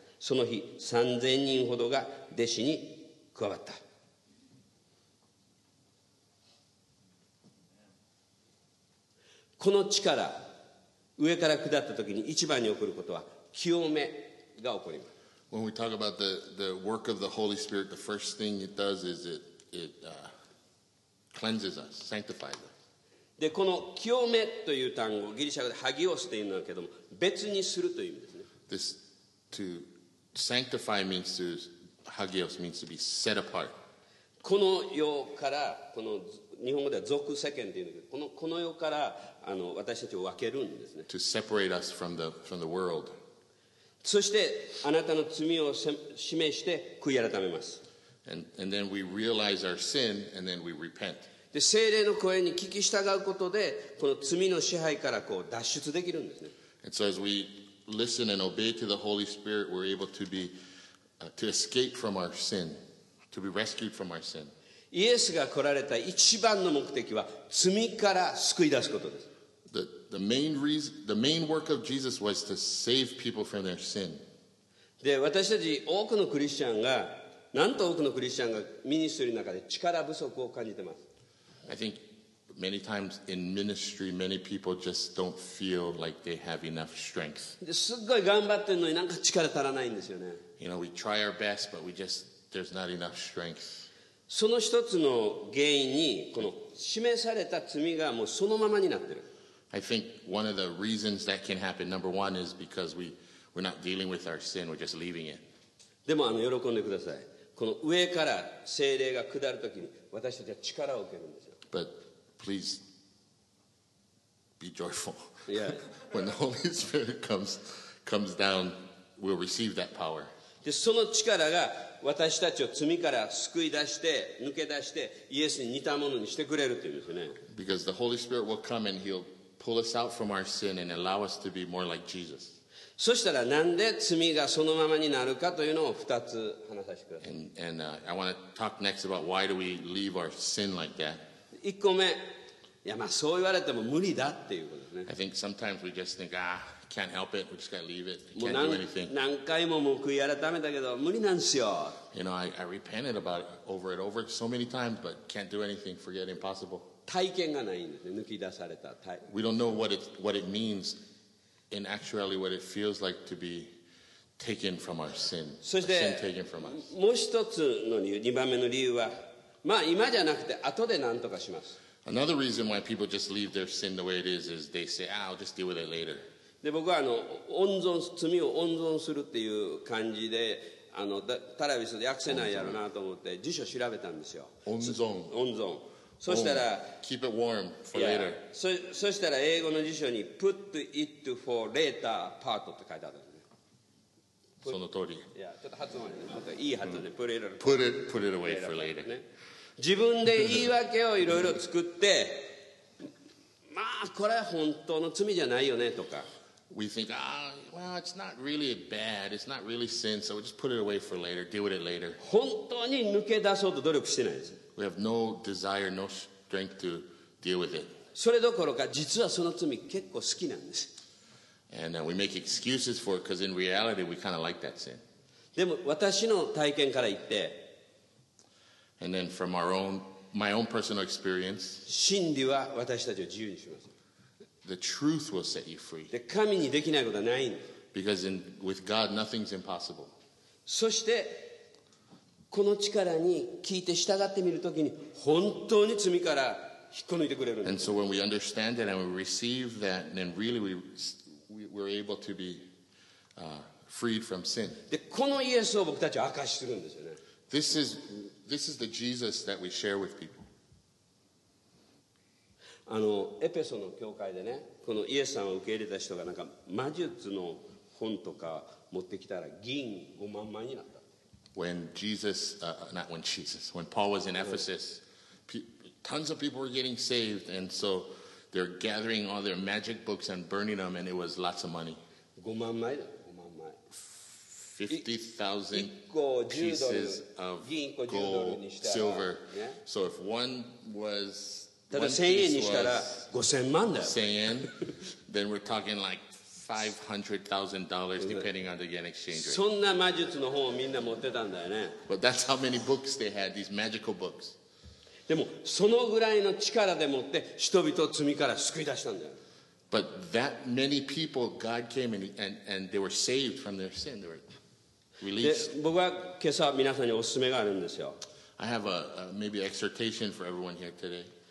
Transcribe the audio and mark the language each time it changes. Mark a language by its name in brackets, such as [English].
[Japanese] その日3000人ほどが弟子に加わった。この力、上から下ったときに一番に起こることは清めが起こります。 [English] When we talk about the work of the Holy Spirit, the first thing it does is it cleanses us, sanctifies us. [Japanese] で、この清めという単語、ギリシャ語でハギオスというんだけども、別にするという意味ですね。 [English] This to sanctify means to ハギオス means to be set apart. [Japanese] この世からこの日本語では俗世間というんだけど、この世から私たちを分けるんですね。 [English] To separate us from the world. [Japanese] そしてあなたの罪を示して悔い改めます。 [English] And then we realize our sin and then we repent. [Japanese] で、聖霊の声に聞き従うことで、この罪の支配からこう脱出できるんですね。 [English] And so as we listen and obey to the Holy Spirit, we're able to be, to escape from our sin, to be rescued from our sin. [Japanese] イエスが来られた一番の目的は罪から救い出すことです。 [English] The main work of Jesus was to save people from their sin. [Japanese] で、私たち多くのクリスチャンが、なんと多くのクリスチャンがミニストリーの中で力不足を感じてます。 [English] I think many times in ministry, many people just don't feel like they have enough strength. [Japanese] で、すっごい頑張ってるのになんか力足らないんですよね。 [English] You know, we try our best, but we just, there's not enough strength. [Japanese] その一つの原因にこの示された罪がもうそのままになってる。 [English] I think one of the reasons that can happen, number one, is because we're not dealing with our sin, we're just leaving it. [Japanese] でも喜んでください。この上から聖霊が下るときに私たちは力を受けるんですよ。 [English] But please be joyful. Yeah. When the Holy Spirit comes down, we'll receive that power. [Japanese] でその力が私たちを罪から救い出して抜け出してイエスに似たものにしてくれるというんですね。 [English] Because the Holy Spirit will come and He'll pull us out from our sin and allow us to be more like Jesus. [Japanese] そしたらなんで罪がそのままになるかというのを二つ話させてください。 [English] I want to talk next about why do we leave our sin like that. [Japanese] 一個目、いやまあそう言われても無理だっていうことですね。 [English] I think sometimes we just think, can't help it, we just gotta leave it, can't do anything. [Japanese] 何回ももう悔い改めたけど無理なんすよ。 [English] You know, I repented about it over and over so many times, but can't do anything, forget, impossible. [Japanese] 体験がないんですね、抜き出された。 [English] We don't know what it means, in actuality, what it feels like to be taken from our sin. [Japanese] そして、 [English] sin taken from us. [Japanese] もう一つの理由、二番目の理由は、まあ今じゃなくて後で何とかします。 [English] Another reason why people just leave their sin the way it is they say, I'll just deal with it later. [Japanese] で僕は温存、罪を温存するっていう感じでタラビスで訳せないやろなと思って辞書調べたんですよ。温存。温存。そしたら、 [English] keep it warm for later. [Japanese] そしたら英語の辞書に [English] put it for later part [Japanese] って書いてあるんですね。その通り。いや、ちょっと発音がいい発音で、 [English] put it, put it away for later.、ね、 [Japanese] 自分で言い訳をいろいろ作って、まあこれは本当の罪じゃないよねとか。 [English] We think, it's not really bad. It's not really sin. So we'll just put it away for later. Deal with it later. [Japanese] 本当に抜け出そうと努力してないです。 [English] We have no desire, no strength to deal with it. [Japanese] それどころか実はその罪結構好きなんです。 [English] And we make excuses for it because in reality we kind of like that sin. [Japanese] でも私の体験から言って。 [English] And then from my own personal experience. [Japanese] 真理は私たちを自由にします。 [English] The truth will set you free. [Japanese] で、神にできないことはないんです。 [English] Because with God, nothing's impossible. [Japanese] そして、この力に聞いて従ってみるときに、本当に罪から引っこ抜いてくれるんです。 [English] And so when we understand it and we receive that, then really we're able to be freed from sin. [Japanese] で、このイエスを僕たちは証しするんですよね。 [English] This is the Jesus that we share with people. [Japanese] エペソの教会でね、このイエスさんを受け入れた人がなんか魔術の本とか持ってきたら銀5万枚になった。 [English] When Jesus, not when Jesus, when Paul was in Ephesus, tons of people were getting saved, and so they're gathering all their magic books and burning them, and it was lots of money. [Japanese] 5万枚だ、5万枚。 [English] 50,000 pieces of gold, silver.、ね、so if one was... [Japanese] ただ1000円にしたら5000万だよ。 [English] 1000円、then we're talking like $500,000 depending on the yen exchange rate. [Japanese] そんな魔術の本をみんな持ってたんだよね。 [English] But that's how many books they had, these magical books. [Japanese] でもそのぐらいの力でもって人々を罪から救い出したんだよ。 [English] But that many people, God came and they were saved from their sin. They were released. [Japanese] 僕は今朝皆さんにおすすめがあるんですよ。 [English] I have a maybe exhortation for everyone here today.